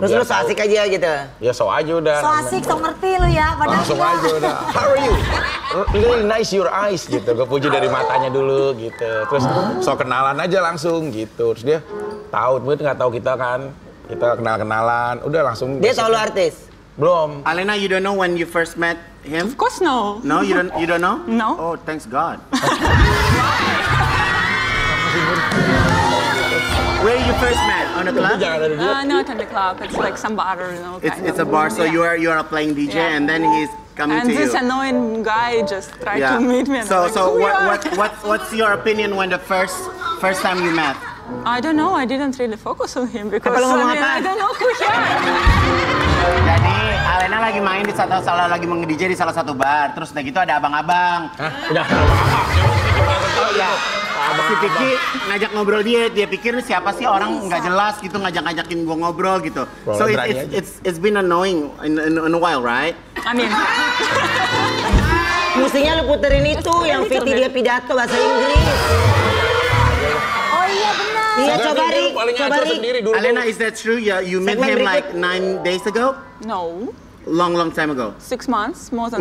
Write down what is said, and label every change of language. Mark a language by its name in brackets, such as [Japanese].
[Indonesian] Terus lu so asik aja gitu. Ya so aja udah. So asik, so ngerti lu ya. Langsung aja udah. [English] How are you? Really nice your eyes [Indonesian] gitu. Gue puji dari matanya dulu gitu. Terus so kenalan aja langsung gitu. Terus dia tahu, mungkin nggak tahu kita kan. Kita kenalan. Udah langsung. Dia tahu lu artis. Belum. [English] Alena, you don't know when you first met him? Of course no. No, you don't know? No. Oh, thanks God. Where you first met? On a club? Not on the club. It's like some bar, you know. It's a bar. So you are a playing DJ, yeah. And then he's coming and to you. And this annoying guy just tried to meet me. So like, what's your opinion when the first time you met? I don't know. I didn't really focus on him because I mean, I don't know who he is. [Indonesian] Alena lagi main di satu salah lagi nge-DJ di salah satu bar. Terus udah gitu ada abang-abang. Hah? Udah. Si Vicky ngajak ngobrol dia. Dia pikir siapa sih orang nggak jelas gitu ngajak-ngajakin gua ngobrol gitu. [English] So it's been annoying in a while, right? I mean. [Indonesian] Mestinya lu puterin itu yang Vicky dia pidato bahasa Inggris. Oh iya benar. Iya coba Rik. [English] Alena, is that true? Yeah, you met him like 9 days ago? No. Long time ago. 6 months, more than